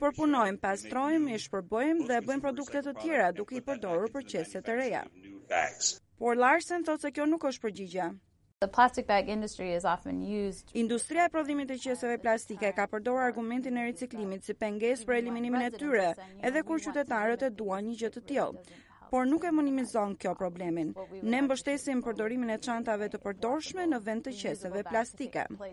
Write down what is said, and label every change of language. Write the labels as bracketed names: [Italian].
[Albanian] I përpunojmë, pastrojmë, i shpërbëjmë dhe bëjmë produkte të tjera duke i përdorur për qese të reja. Por Larson thotë se kjo nuk është përgjigje. [English] The plastic bag industry is often used. [Albanian] Industria e prodhimit të qeseve plastike ka përdorur argumentin e riciklimit si pengesë për eliminimin e tyre, edhe kur qytetarët e duan një gjë të tillë. Por nuk e minimizon kjo problemin. Ne mbështesim përdorimin e çantave të përdorshme në vend të qeseve plastike.